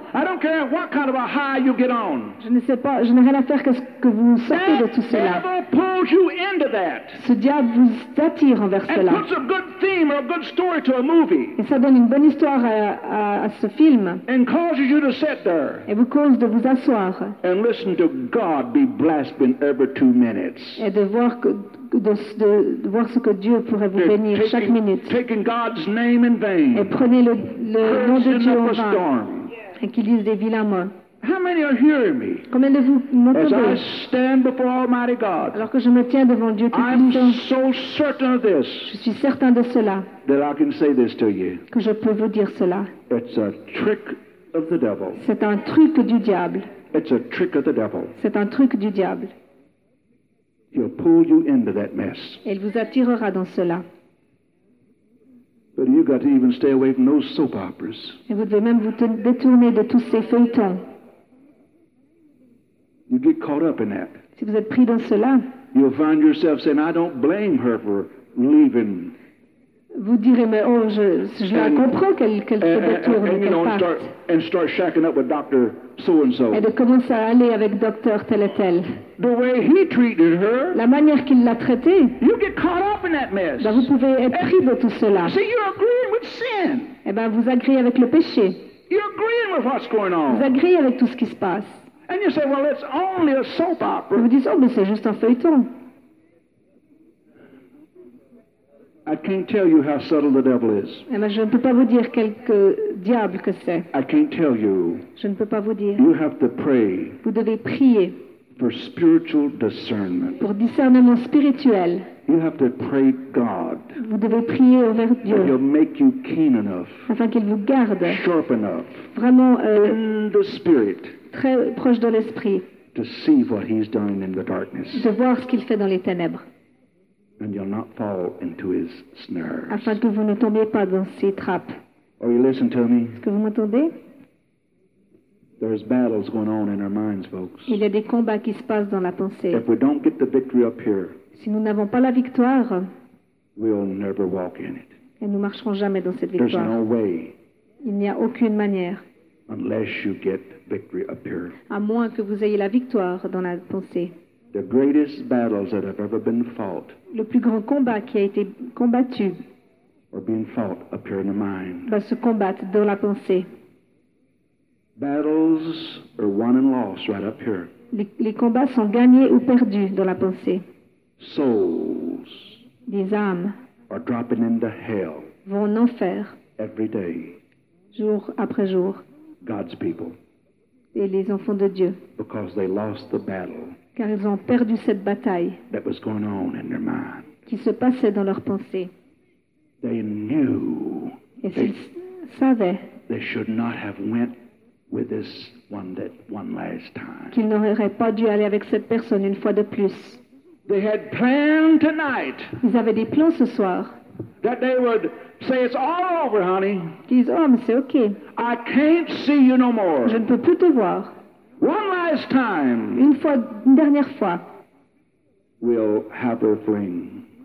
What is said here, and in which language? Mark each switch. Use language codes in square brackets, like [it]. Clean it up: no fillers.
[en] I don't care what kind of a high you get on. [fr] Je ne sais pas. Je n'ai rien à faire qu'est-ce que vous sortez de tout cela. [en] That devil pulls you into that. [fr] Ce diable vous attire envers cela. [en] And puts a good theme or a good story to a movie. [fr] Et ça donne une bonne histoire à ce film. [en] And causes you to say. sit there. [fr] Et vous cause de vous asseoir. [en] And listen to God be blaspheming every 2 minutes. [fr] Et de voir de voir ce que Dieu pourrait vous bénir chaque minute. [en] Taking God's name in vain. [fr] Et prenez le nom de Dieu en vain. [en] Storm. [fr] Et qu'il dise des vilains mots. [en] How many are hearing me? [fr] Combien de vous m'entendez? [en] As I stand before Almighty God, [fr] alors que je me tiens devant Dieu tout puissant, [en] so certain of this, [fr] je suis certain de cela, [en] that I can say this to you. [fr] Que je peux vous dire cela. [en] It's a trick of the devil. [fr] C'est un truc du diable. [en] It's a trick of the devil. [fr] C'est un truc du diable. [en] He'll pull you into that mess. [fr] Il vous attirera dans cela. [en] But you've got to even stay away from those soap operas. [fr] Et vous devez même vous détourner de tous ces feuilletons. [en] You get caught up in that. [fr] Si vous êtes pris dans cela, [en] you'll find yourself saying, "I don't blame her for leaving." [fr] Vous direz, mais oh, je la comprends qu'elle se détourne et qu'elle part. [en] And start shacking up with Dr. So-and-so. [fr] Et de commencer à aller avec docteur tel et tel. [en] The way he treated her, [fr] la manière qu'il l'a traitée. [en] You get caught up in that mess. [fr] Ben vous pouvez être pris de tout cela. [en] So you're agreeing with sin. [fr] Et ben vous agriez avec le péché. [en] You're agreeing with what's going on. [fr] Vous agriez avec tout ce qui se passe. [en] And you say, "Well, it's only a soap opera." [fr] Vous dites, oh, mais c'est juste un feuilleton. [en] I can't tell you how subtle the devil is. [fr] Et ben, je ne peux pas vous dire quel diable que c'est. [en] I can't tell you. [fr] Je ne peux pas vous dire. [en] You have to pray. [fr] Vous devez prier. [en] For spiritual discernment. [fr] Pour discernement spirituel. [en] You have to pray God. [fr] Vous devez prier envers Dieu. [en] He'll make you keen enough. [fr] Afin qu'il vous garde. [en] Sharp enough. [fr] Vraiment. [en] In the spirit. [fr] Très proche de l'esprit. [en] To see what he's doing in the darkness. [fr] De voir ce qu'il fait dans les ténèbres. [en] And you'll not fall into his snares. [fr] Afin que vous ne tombiez pas dans ses trappes. [en] Are you listening to me? [fr] Est-ce que vous m'entendez? [en] There's battles going on in our minds, folks. [fr] Il y a des combats qui se passent dans la pensée. [en] If we don't get the victory up here, [fr] si nous n'avons pas la victoire, [en] we'll never walk in it. [fr] Et nous marcherons jamais dans cette victoire. [en] There's no way. [fr] Il n'y a aucune manière. [en] Unless you get victory up here. [fr] À moins que vous ayez la victoire dans la pensée. [en] The greatest battles that have ever been fought. [fr] Le plus grand combat qui a été combattu. [en] Are being fought up here in the mind. [fr] Va se combattre dans la pensée. [en] Battles are won and lost right up here. [fr] Les combats sont gagnés ou perdus dans la pensée. [en] Souls. [fr] Des âmes. [en] Are dropping into hell. [fr] Vont en enfer. [en] Every day. [fr] Jour après jour. [en] God's people. [fr] Et les enfants de Dieu. [en] Because they lost the battle. [fr] Car ils ont perdu cette bataille. [en] That was going on in their mind. [fr] Qui se passait dans leur pensée. [en] They knew. [fr] Et s'ils savaient. [en] They should not have went with this one that one last time. [fr] Qu'ils n'auraient pas dû aller avec cette personne une fois de plus. [en] They had planned tonight. [fr] Ils avaient des plans ce soir. [en] That they would say it's all over, honey. [fr] Ils disent, oh, mais c'est okay. [en] I can't see you no more. [fr] Je ne peux plus te voir. [en] One last time. [fr] Une fois, une dernière fois. [en] We'll have our fling.